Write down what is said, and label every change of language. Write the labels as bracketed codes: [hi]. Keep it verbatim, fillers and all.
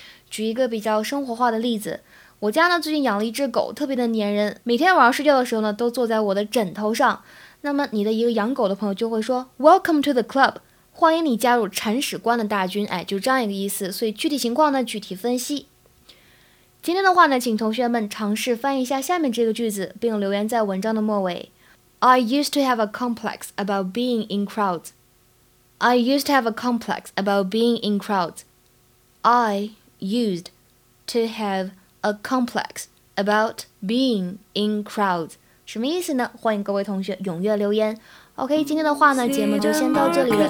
[zh] 举一个比较生活化的例子，我家呢最近养了一只狗，特别的粘人，每天晚上睡觉的时候呢都坐在我的枕头上。那么你的一个养狗的朋友就会说 [en] Welcome to the club， [zh] 欢迎你加入铲屎官的大军。哎，就这样一个意思。所以具体情况呢具体分析。今天的话呢，请同学们尝试翻译一下下面这个句子，并留言在文章的末尾。 [en] I used to have a complex about being in crowds. I used to have a complex about being in crowds. I... used to have a complex about being in crowds. [zh] 什么意思呢？欢迎各位同学踊跃留言。OK， 今天的话呢，节目就先到这里了。